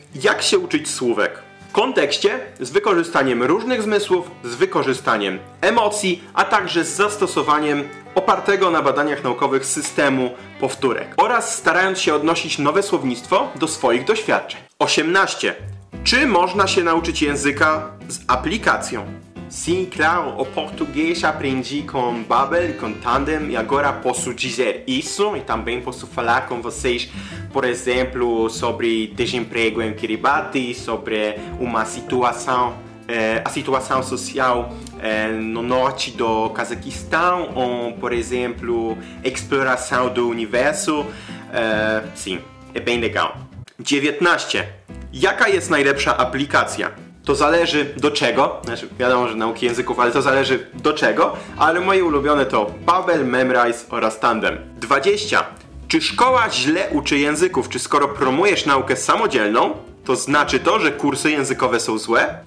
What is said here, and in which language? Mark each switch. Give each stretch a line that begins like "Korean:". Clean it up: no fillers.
Polish: Jak się uczyć słówek? W kontekście, z wykorzystaniem różnych zmysłów, z wykorzystaniem emocji, a także z zastosowaniem opartego na badaniach naukowych systemu powtórek oraz starając się odnosić nowe słownictwo do swoich doświadczeń. 18. Czy można się nauczyć języka z aplikacją?
Portuguese: Sim, claro, o português aprendi com Babbel e com Tandem e agora posso dizer isso e também posso falar com vocês, por exemplo, sobre desemprego em Kiribati, sobre uma situação, a situação social no norte do Cazaquistão ou, por exemplo, exploração do universo. Sim, é bem legal. 19.
Polish: Jaka jest najlepsza aplikacja? To zależy do czego, znaczy wiadomo, że nauki języków, ale to zależy do czego, ale moje ulubione to Babbel, Memrise oraz Tandem. 20. Czy szkoła źle uczy języków? Czy skoro promujesz naukę samodzielną, to znaczy to, że kursy językowe są złe?